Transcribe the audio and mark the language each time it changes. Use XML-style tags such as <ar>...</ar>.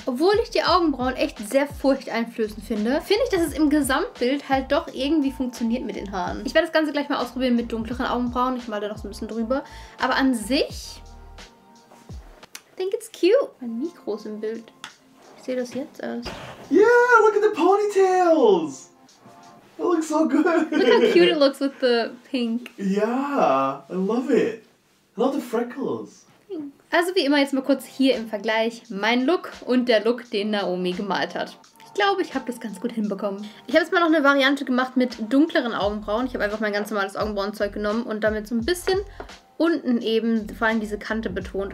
<de>Obwohl ich die Augenbrauen echt sehr furchteinflößend finde, finde ich, dass es im Gesamtbild halt doch irgendwie funktioniert mit den Haaren. Ich werde das Ganze gleich mal ausprobieren mit dunkleren Augenbrauen. Ich male da noch so ein bisschen drüber. Aber an sich,</de> <en>I think it's cute.</en> <de>Mein Mikro ist im Bild. Ich sehe das jetzt erst.</de> <en>Yeah, look at the ponytails. That looks so good. Look how cute it looks with the pink. Yeah, I love it. I love the freckles.</en> <de>Also wie immer jetzt mal kurz hier im Vergleich mein Look und der Look, den Naomi gemalt hat. Ich glaube, ich habe das ganz gut hinbekommen. Ich habe jetzt mal noch eine Variante gemacht mit dunkleren Augenbrauen. Ich habe einfach mein ganz normales Augenbrauenzeug genommen und damit so ein bisschen unten eben vor allem diese Kante betont.</de>